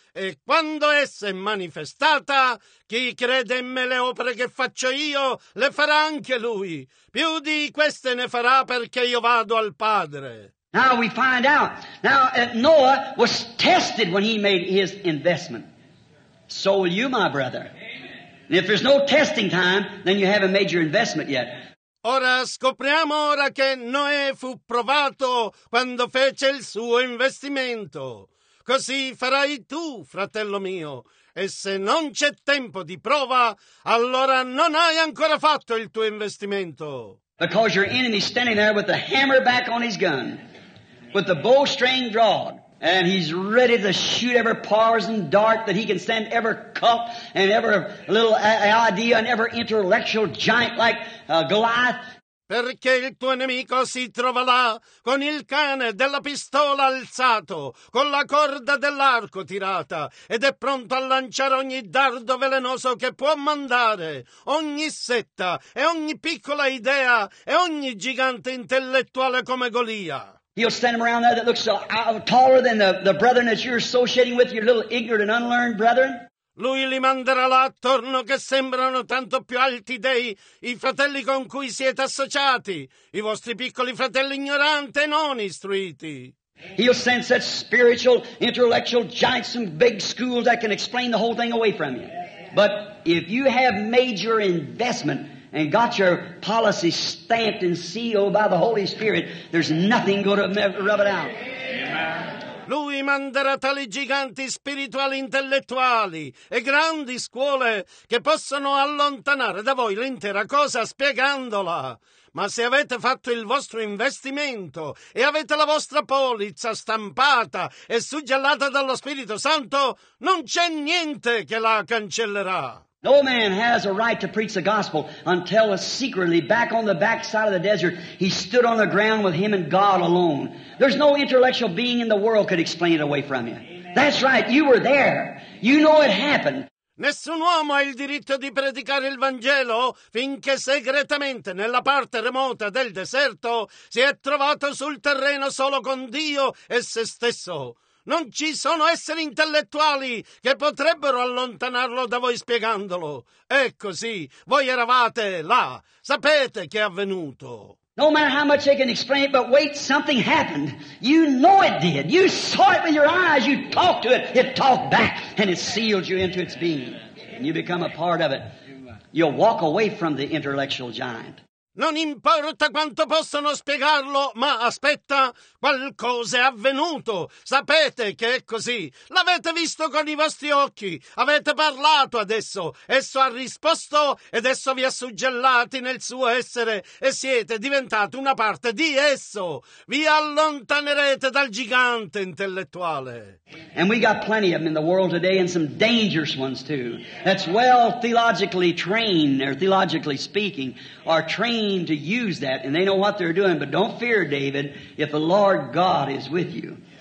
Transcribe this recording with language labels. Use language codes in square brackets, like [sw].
[it] E quando essa è manifestata, chi crede in me le opere che faccio io, le farà anche lui. Più di queste ne farà perché io vado al Padre. [en] Now we find out. Now Noah was tested when he made his investment. So will you, my brother. And if there's no testing time, then you haven't made your investment yet. [it] Ora scopriamo ora che Noè fu provato quando fece il suo investimento. Così farai tu, fratello mio. E se non c'è tempo di prova, allora non hai ancora fatto il tuo investimento. [en] Because your enemy's standing there with the hammer back on his gun, with the bowstring drawn. And he's ready to shoot every poison dart that he can send, every cup and every little idea and every intellectual giant like Goliath. [it] Perché il tuo nemico si trova là con il cane della pistola alzato, con la corda dell'arco tirata, ed è pronto a lanciare ogni dardo velenoso che può mandare, ogni setta e ogni piccola idea e ogni gigante intellettuale come Golia. [en] He'll send him around there that looks taller than the brethren that you're associating with, your little ignorant and unlearned brethren. [it] Lui li manderà là attorno che sembrano tanto più alti dei i fratelli con cui siete associati, i vostri piccoli fratelli ignoranti e non istruiti. [en] He'll send such spiritual, intellectual giants from big schools that can explain the whole thing away from you. But if you have made your investment and got your policy stamped and sealed by the Holy Spirit, there's nothing going to rub it out. [it] Lui manderà tali giganti spirituali intellettuali e grandi scuole che possono allontanare da voi l'intera cosa spiegandola. Ma se avete fatto il vostro investimento e avete la vostra polizza stampata e suggellata dallo Spirito Santo, non c'è niente che la cancellerà. [en] No man has a right to preach the gospel until secretly, back on the backside of the desert, he stood on the ground with him and God alone. There's no intellectual being in the world could explain it away from you. Amen. That's right, you were there. You know it happened. [it] Nessun uomo ha il diritto di predicare il Vangelo finché segretamente nella parte remota del deserto si è trovato sul terreno solo con Dio e se stesso. Non ci sono esseri intellettuali che potrebbero allontanarlo da voi spiegandolo. È così. Voi eravate là. Sapete che è avvenuto. [en] No matter how much they can explain it, but wait, something happened. You know it did. You saw it with your eyes. You talked to it. It talked back and it sealed you into its being. And you become a part of it. You'll walk away from the intellectual giant. [it] Non importa quanto possano spiegarlo, ma aspetta, qualcosa è avvenuto. Sapete che è così. L'avete visto con i vostri occhi. Avete parlato adesso. Esso ha risposto ed esso vi ha suggellati nel suo essere e siete diventati una parte di esso. Vi allontanerete dal gigante intellettuale. [en] And we got plenty of them in the world today and some dangerous ones too. That's well theologically trained or theologically speaking are trained to use that, and they know what they're doing, but don't fear, David, if the Lord God is with you.